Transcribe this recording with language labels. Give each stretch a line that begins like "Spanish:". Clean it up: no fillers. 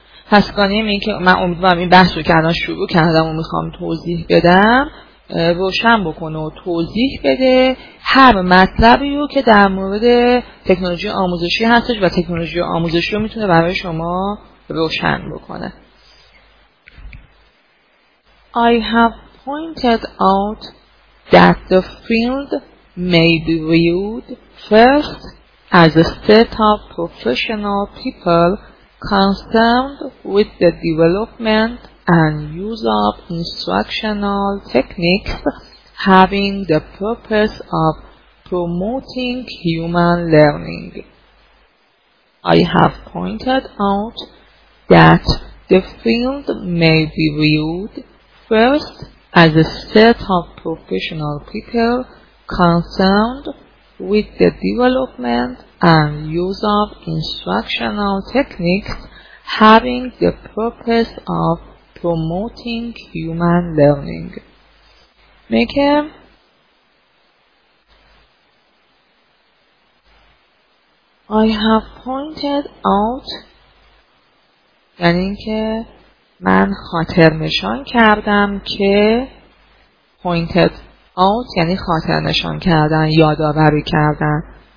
Persian: پس گانیم این که من امیدوارم این بحث رو که الان شروع کردم و میخوام توضیح بدم روشن بکنه و توضیح بده هر مطلبی رو که در مورد تکنولوژی آموزشی هستش و تکنولوژی آموزشی رو میتونه برای شما روشن بکنه.
English: I have pointed out that the field may be viewed first as a set of professional people concerned with the development and use of instructional techniques having the purpose of promoting human learning. I have pointed out that the field may be viewed first as a set of professional people concerned with the development and use of instructional techniques having the purpose of promoting human learning.
Persian: میگه
English: I have pointed out
Persian: یعنی که من خاطر نشان کردم که
English: pointed out
Persian: یعنی خاطر نشان کردن، یادآوری کردن.